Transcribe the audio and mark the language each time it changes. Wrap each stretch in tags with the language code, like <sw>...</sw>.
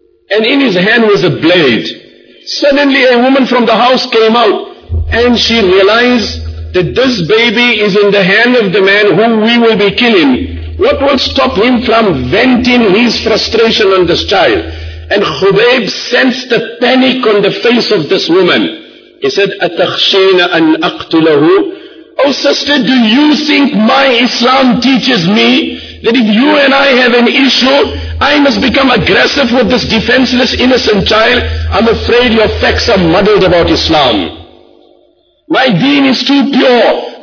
<en>And in his hand was a blade. Suddenly a woman from the house came out, and she realized that this baby is in the hand of the man whom we will be killing. What would stop him from venting his frustration on this child? And Khubayb sensed the panic on the face of this woman. He said,</en> <ar>أَتَخْشَيْنَ أَنْ أَقْتُلَهُ.</ar> <en>Oh sister, do you think my Islam teaches me that if you and I have an issue, I must become aggressive with this defenseless, innocent child? I'm afraid your facts are muddled about Islam. My deen is too pure.</en>